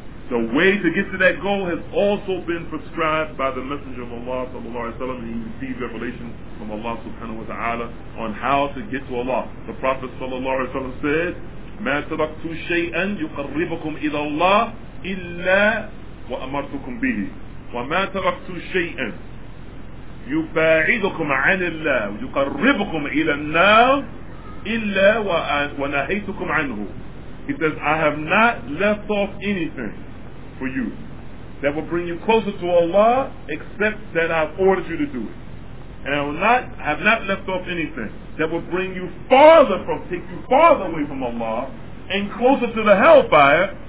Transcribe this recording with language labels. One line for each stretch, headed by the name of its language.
English: The way to get to that goal has also been prescribed by the Messenger of Allah sallallahu alayhi wa sallam, and he received revelation from Allah subhanahu wa ta'ala on how to get to Allah.
Arabic: The Prophet sallallahu alayhi wa sallam said, مَا تَرَكْتُ شَيْئًا يُقَرِّبَكُمْ إِلَى اللَّهِ إِلَّا وَأَمَرْتُكُمْ بِهِ وَمَا تَرَكْتُ شَيْئًا يُبَاعِدُكُمْ عَنِ اللَّهِ يُقَرِّبُكُمْ إِلَى النَّارِ إِلَّا وَنَهَيْتُكُمْ عَنْهُ.
English: He says, I have not left off anything for you that will bring you closer to Allah except that I've ordered you to do it. And I have not left off anything that will bring you farther away from Allah and closer to the hellfire.